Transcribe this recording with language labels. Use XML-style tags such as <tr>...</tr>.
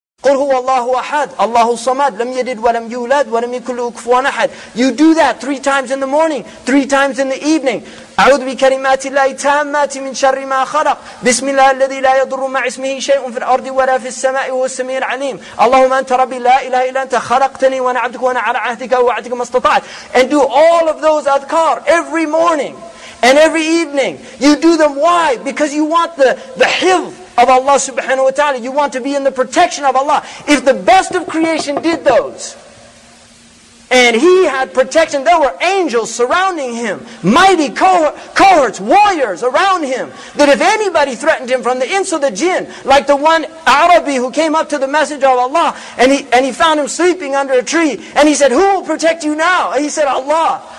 <ar>قل هو الله أحد الله الصمد لم يلد ولم يولد ولم يكن له كفوا أحد.</ar> <en>You do that 3 times in the morning, 3 times in the evening.</en> <ar>أعوذ بكلمات الله التامات من شر ما خلق بسم الله الذي لا يضر مع اسمه شيء في الأرض ولا في السماء وهو السميع العليم. اللهم أنت ربي لا إله إلا أنت خلقتني وأنا عبدك وأنا على عهدك ووعدك ما استطعت.</ar> <en>And do all of those adhkar every morning and every evening. You do them why? Because you want the hifz of Allah subhanahu wa ta'ala. You want to be in the protection of Allah. If the best of creation did those, and he had protection, there were angels surrounding him, mighty cohorts, warriors around him, that if anybody threatened him from the ins or the jinn, like the one Arabi who came up to the Messenger of Allah, and he found him sleeping under a tree, and he said, "Who will protect you now?" And he said, "Allah."</en>